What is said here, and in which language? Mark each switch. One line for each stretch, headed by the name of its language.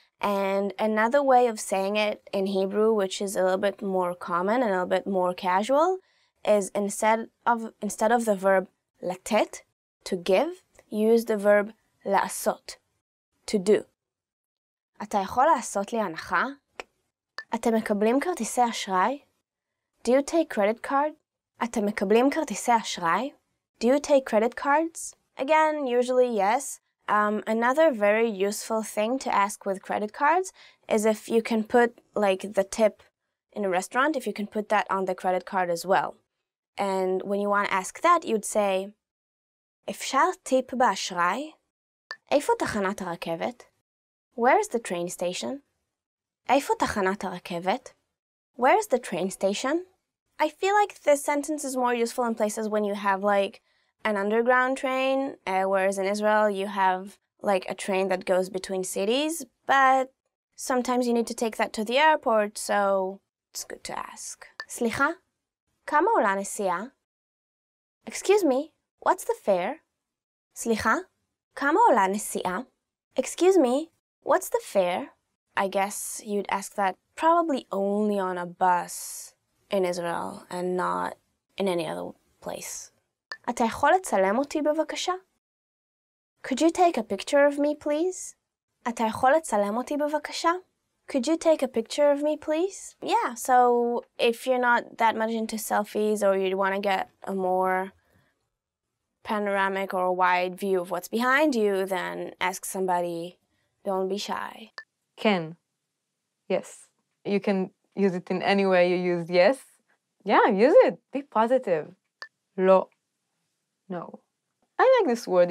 English: And another way of saying it in Hebrew, which is a little bit more common and a little bit more casual, is instead of the verb לתת, to give, use the verb לעשות, to do.
Hebrew: אתה יכול לעשות לי הנחה? אתם מקבלים כרטיסי אשראי?
English: Do you take credit card?
Hebrew: אתם מקבלים כרטיסי אשראי?
English: Do you take credit cards? Again, usually yes. Another very useful thing to ask with credit cards is if you can put like the tip in a restaurant, if you can put that on the credit card as well. And when you want to ask that, you'd say,
Hebrew: אפשר טיפ באשראי? איפה תחנת הרכבת?
English: Where is the train station?
Hebrew: איפה תחנת הרכבת?
English: Where is the train station? I feel like this sentence is more useful in places when you have like an underground train, whereas in Israel you have like a train that goes between cities, but sometimes you need to take that to the airport, so it's good to ask.
Hebrew: סליחה, כמה עולה נסיעה?
English: Excuse me, what's the fare?
Hebrew: סליחה, כמה עולה נסיעה?
English: Excuse me, what's the fare? I guess you'd ask that probably only on a bus in Israel and not in any other place.
Hebrew: אתה יכול לצלם אותי בבקשה?
English: Could you take a picture of me, please?
Hebrew: אתה יכול לצלם אותי בבקשה?
English: Could you take a picture of me, please? Yeah, so if you're not that much into selfies or you'd want to get a more panoramic or wide view of what's behind you, then ask somebody, don't be shy. Can. Yes. You can use it in any way you used yes. Yeah, use it. Be positive. לא. No. I like this word.